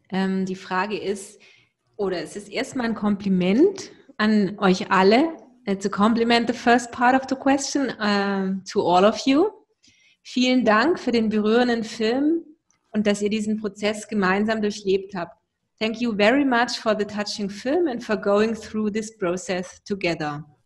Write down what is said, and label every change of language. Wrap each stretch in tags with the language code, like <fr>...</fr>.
<de>Die Frage ist, oder es ist erstmal ein Kompliment an euch alle.</de> <en>It's a compliment, the first part of the question, to all of you.</en> <de>Vielen Dank für den berührenden Film und dass ihr diesen Prozess gemeinsam durchlebt habt.</de> <en>Thank you very much for the touching film and for going through this process together.</en>